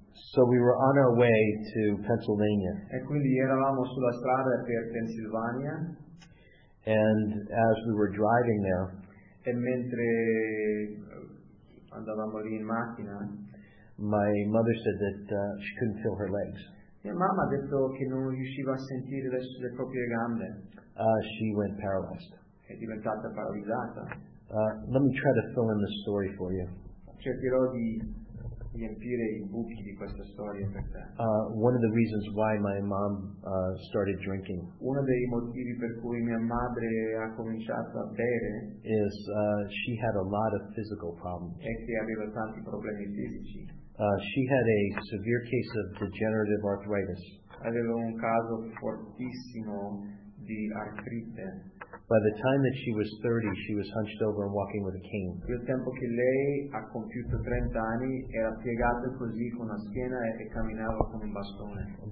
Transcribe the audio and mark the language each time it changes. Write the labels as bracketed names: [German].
[English] So we were on our way to Pennsylvania. [Italian] E quindi eravamo sulla strada per Pennsylvania. [English] And as we were driving there, [Italian] e mentre andavamo lì in macchina, [English] my mother said that she couldn't feel her legs. [Italian] Mia mamma ha detto che non riusciva a sentire le proprie gambe. [English] She went paralyzed. [Italian] È diventata paralizzata. [English] Let me try to fill in the story for you. [Italian] Cercherò di riempire i buchi di questa storia per te. [English] One of the reasons why my mom started drinking. [Italian] Uno dei motivi per cui mia madre ha cominciato a bere [English] is she had a lot of physical problems. [Italian] È che aveva tanti problemi fisici. [English] She had a severe case of degenerative arthritis. [Italian] Aveva un caso fortissimo di artrite. [English] By the time that she was 30, she was hunched over and walking with a cane. [Italian] Il tempo che lei ha compiuto 30 anni era piegata così con la schiena e camminava con un bastone.